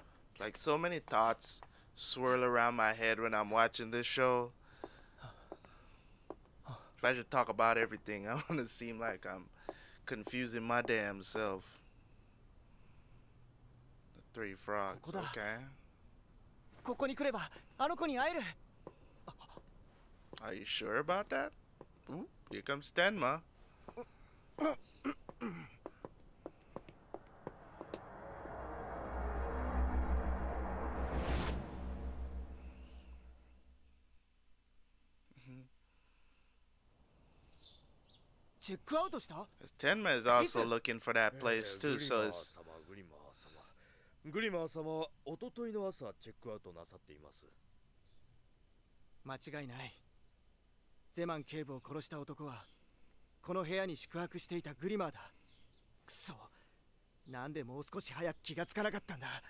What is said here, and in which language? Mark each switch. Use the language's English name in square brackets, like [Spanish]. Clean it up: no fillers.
[English] It's like so many thoughts. Swirl around my head when I'm watching this show. If I should talk about everything, I want to seem like I'm confusing my damn self. The three frogs, okay? [Japanese] ここに来ればあの子に会える。 [English] Are you sure about that? Ooh, here comes Tenma. [Japanese] チェックアウトした？ [English] Tenma is also looking for that place too, so it's... [Japanese] グリマー様、グリマー様、おとといの朝チェックアウトなさっています。間違いない。ゼマン警部を殺した男は、この部屋に宿泊していたグリマーだ。クソ、なんでもう少し早く気がつかなかったんだ。